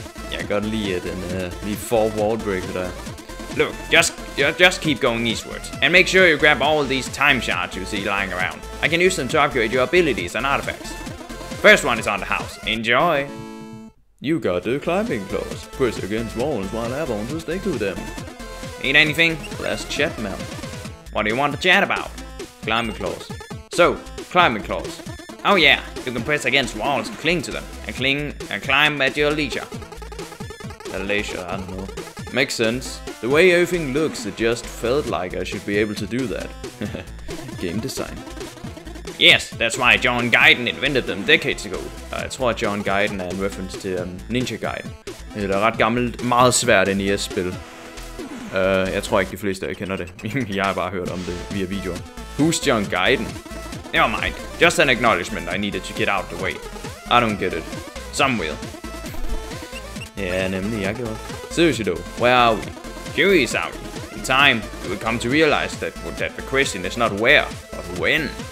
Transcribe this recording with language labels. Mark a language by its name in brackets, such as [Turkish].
[Danish] Jeg kan godt lide den lige four wall breaker der. [English] Look, just keep going eastwards, and make sure you grab all these time shards you see lying around. I can use them to upgrade your abilities and artifacts. First one is on the house. Enjoy! You got the climbing claws. Press against walls while airborne to stick to them. Need anything? Let's chat, man. What do you want to chat about? Climbing claws. So, climbing claws. Oh yeah, you can press against walls and cling to them, and climb at your leisure. At leisure, I don't know. Makes sense. The way everything looks, it just felt like I should be able to do that. Game design. Yes, that's why John Gaiden invented them decades ago. [Danish] Jeg tror, at John Gaiden er en reference til Ninja Gaiden. Det er ret gammelt, meget svært NES-spil. Jeg tror ikke, de fleste af kender det. Jeg har bare hørt om det via videoen. [English] Who's John Gaiden? Never mind. Just an acknowledgement I needed to get out the way. I don't get it. Some will. [Danish] Ja, nemlig, jeg gjorde. Seriously though, where are we? [English] Curious are we? In time, you will come to realize that the question is not where, but when.